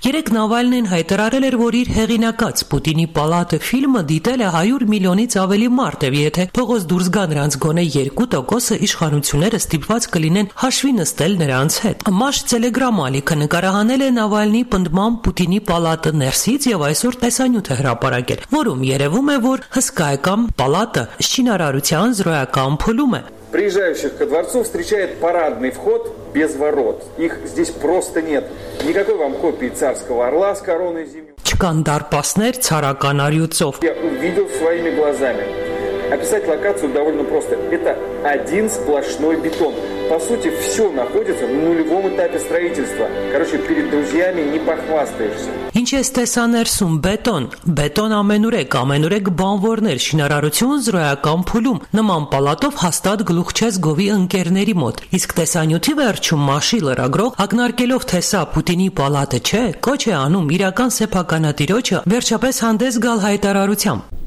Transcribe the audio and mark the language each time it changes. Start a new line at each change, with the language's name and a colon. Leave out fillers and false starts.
Armenian: Երեկ Նավալնին հայտարարել էր, որ իր հեղինակած Պուտինի պալատը ֆիլմը դիտել է 100 միլիոնից ավելի մարդ, և եթե փողոց դուրս գա նրանց գոնե 2%-ը, իշխանությունները ստիպված կլինեն հաշվի նստել նրանց հետ։ Մաշ Տելեգրամ ալիքը նկարահանել է Նավալնի պնդմամբ Պուտինի պալատը ներսից և այսօր տեսանյութ է հրապարակել, որում երևում է, որ հսկայական պալատը շինարարության զրոյական փուլում է։
Russian: Приезжающих ко дворцу встречает парадный вход без ворот. Их здесь просто нет. Никакой вам копии царского орла с короной зимней.
Armenian: Չկան դարպասներ ցարական արյուծով։
Russian: Я увидел своими глазами. Описать локацию довольно просто. Это один сплошной бетон. По сути, все находится на нулевом этапе строительства. Короче, перед друзьями не похвастаешься.
Armenian: Ինչ ես տեսա ներսում, բետոն, բետոն ամենուրեք, ամենուրեք բանվորներ, շինարարություն զրոյական փուլում, նման պալատով հաստատ գլուխ չես գովի ընկերների մոտ։ Իսկ տեսանյութի վերջում Մաշի լրագրող, ակնարկելով, թե սա Պուտինի պալատը չէ, կոչ է անում իրական սեփականատիրոջը վերջապես հանդես գալ հայտարարությամբ։